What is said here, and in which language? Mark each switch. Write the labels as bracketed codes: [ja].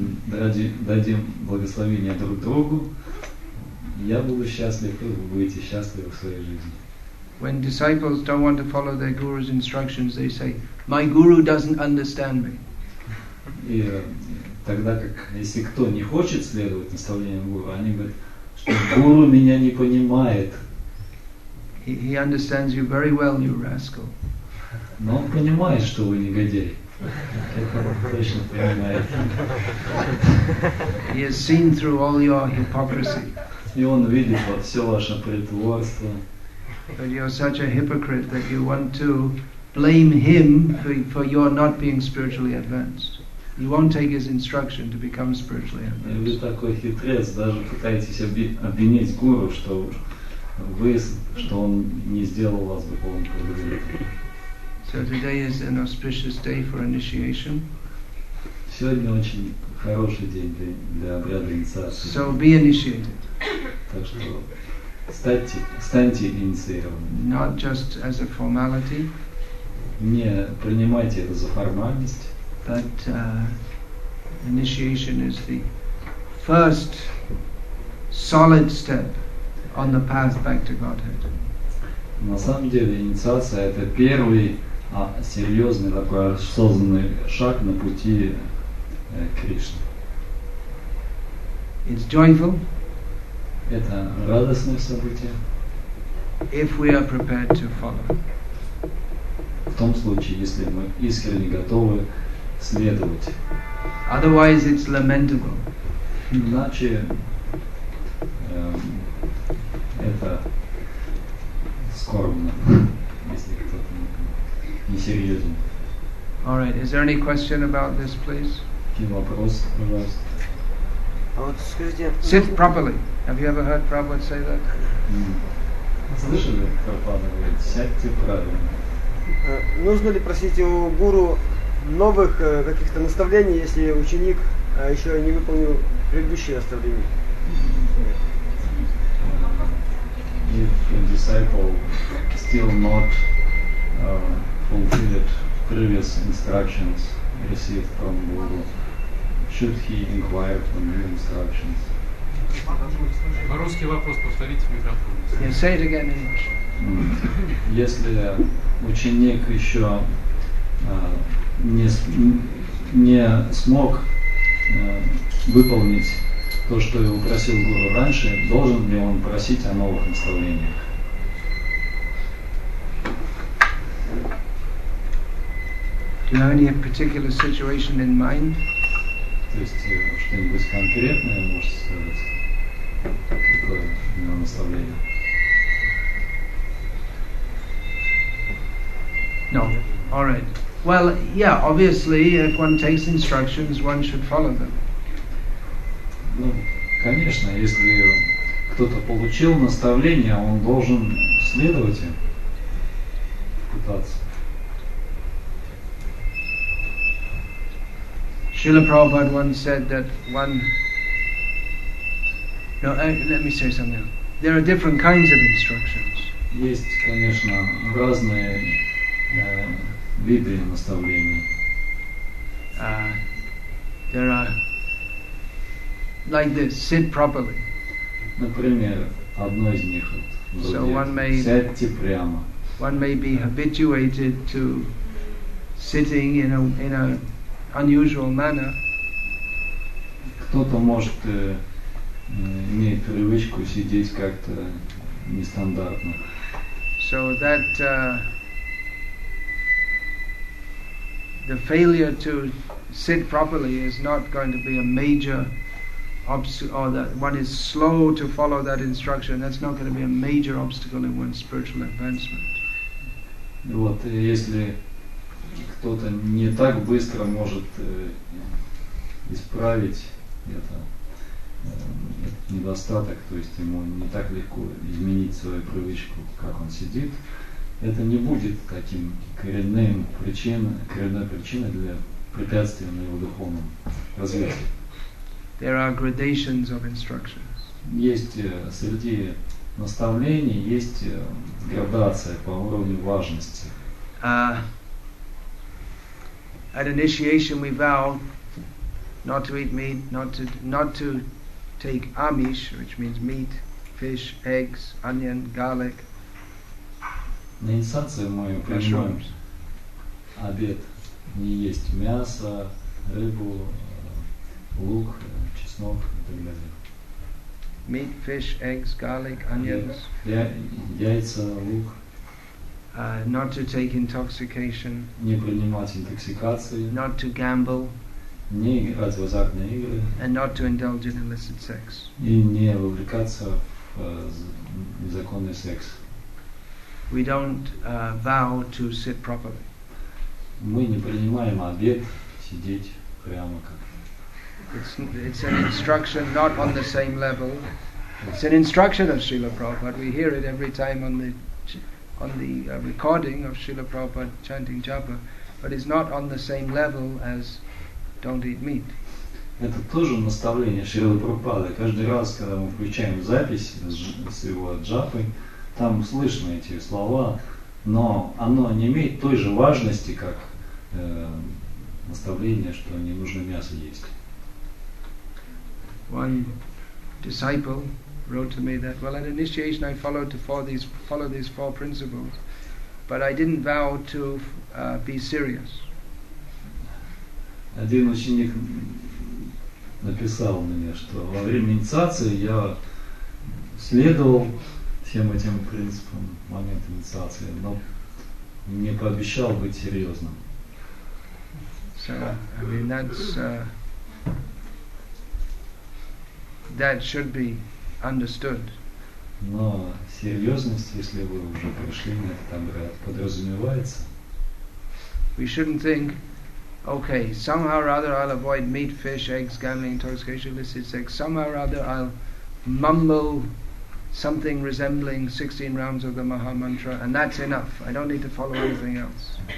[ru] Дадим благословение друг другу. Я буду счастлив, и вы будете счастливы в своей жизни. [en] When disciples don't want to follow their guru's instructions, they say, "My guru doesn't understand me." [ru] И тогда, как если кто не хочет следовать наставлениям гуру, они говорят, что гуру меня не понимает. [en] He understands you very well, you rascal. [ru] Но он понимает, что вы негодяй. Это он точно понимает. [en] He has seen through all your hypocrisy. [ru] И он видит вот все ваше притворство. [en] But you're such a hypocrite that you want to blame him for your not being spiritually advanced. You won't take his instruction to become spiritually advanced. [ru] И вы такой хитрец, даже пытаетесь обвинить гуру, что вы, что он не сделал вас духовным продвижением. [en] So today is an auspicious day for initiation. [ru] Сегодня очень хороший день для обряда инициации. [en] So be initiated. [ru] Так что станьте инициированными. [en] Not just as a formality. [ru] Не принимайте это за формальность. [en] But initiation is the first solid step on the path back to Godhead. [ru] На самом деле инициация это первый серьезный такой осознанный шаг на пути к Кришне. [en] It's joyful. [ru] Это радостное событие. [en] If we are prepared to follow. [ru] В том случае, если мы искренне готовы следовать. [en] Otherwise it's lamentable. [ru] Иначе это скорбно, если кто-то не серьезен. [en] All right, is there any question about this, please? [ru] Какие вопросы, пожалуйста? А вот скажите, [en] sit properly. Have you ever heard Prabhupada say that? [ru] Слышали, Прабхупада говорит, сядьте правильно. Нужно ли просить у гуру новых каких-то наставлений, если ученик еще не выполнил предыдущие наставления? [en] if a disciple still not fulfilled previous instructions received from Guru, should he inquire for new instructions? [ru] По-русски вопрос, повторите в микрофон. [en] You say it again in English. [ru] Если ученик еще не смог выполнить то, что его просил Гуру раньше, должен ли он просить о новых наставлениях? [en] Do you have any particular situation in mind? [ru] То есть что-нибудь конкретное можете сказать? Какое у него наставление? [en] No. All right. Well, yeah, obviously, if one takes instructions, one should follow them. [ru] Ну, конечно, если кто-то получил наставление, он должен следовать им, пытаться. [en] Srila Prabhupada once said that one... No, let me say something else. There are different kinds of instructions. [ru] Есть, конечно, разные виды наставлений. [en] There are like this, sit properly. [ru] Например, одно из них вот, [en] so one may, [ru] сядьте прямо. [en] One may be habituated to sitting in a unusual manner. [ru] Кто-то может имеет привычку сидеть как-то нестандартно. [en] So that the failure to sit properly is not going to be a major obstacle, or that one is slow to follow that instruction, that's not going to be a major obstacle in one's spiritual advancement. [ru] Вот, если кто-то не так быстро может исправить это, недостаток, то есть ему не так легко изменить свою привычку, как он сидит, это не будет таким коренной причиной для препятствия на его духовном развитии. [en] There are gradations of instructions. [ru] Есть среди наставлений, есть градация по уровню важности. [en] At initiation we vow not to eat meat, not to take amish, which means meat, fish, eggs, onion, garlic. [ru] На инициации мы принимаем обет не есть мясо, рыбу, лук, чеснок и так далее. [en] Meat, fish, eggs, garlic, onions. [ru] Яйца, лук. [en] Not to take intoxication. [ru] Не принимать интоксикации. [en] Not to gamble. [ru] Не играть в азартные игры. [en] And not to indulge in illicit sex. [ru] И не вовлекаться в незаконный секс. [en] We don't vow to sit properly. [ru] Мы не принимаем обет сидеть прямо как. [en] It's an instruction not on the same level. It's an instruction of Srila Prabhupada. We hear it every time on the recording of Srila Prabhupada chanting japa, but it's not on the same level as don't eat meat. [ru] Это тоже наставление Шрилы Прабхупады. Каждый раз, когда мы включаем запись с его джапой, там слышны эти слова, но оно не имеет той же важности, как наставление, что не нужно мясо есть. [en] One disciple wrote to me that, well, at initiation I followed these four principles, but I didn't vow to be serious. [ru] Один ученик написал мне, что во время инициации я следовал всем этим принципам в момент инициации, но не пообещал быть серьезным. [en] So, I mean, that's, that should be understood. [ru] Но серьезность, если вы уже пришли на этот обряд, подразумевается. [en] We shouldn't think, okay, somehow or other I'll avoid meat, fish, eggs, gambling, intoxication, illicit sex. Somehow or other I'll mumble something resembling 16 rounds of the Maha Mantra, and that's enough. I don't need to follow anything else.